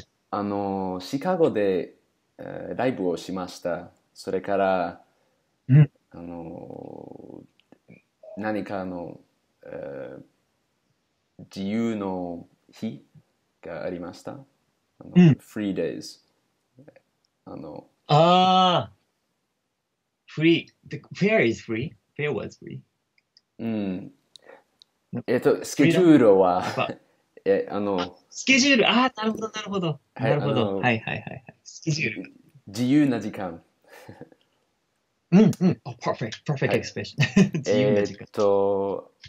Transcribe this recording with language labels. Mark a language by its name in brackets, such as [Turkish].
[Japanese] あのシカゴで、ライブをしました。それから、うん、あの何かの、自由の日がありました。あの、うん、フリーデイズ、あの [English] あーfree, the fare is free, fare was free. [Japanese] うん。スケジュールは、え、あの、スケジュール、ああ、なるほど、なるほど、はい、なるほど、はいはいはい、はい、スケジュール。自由な時間。うんうん、 [English] oh, perfect, perfect expression.、 [Japanese] はい、自由な時間。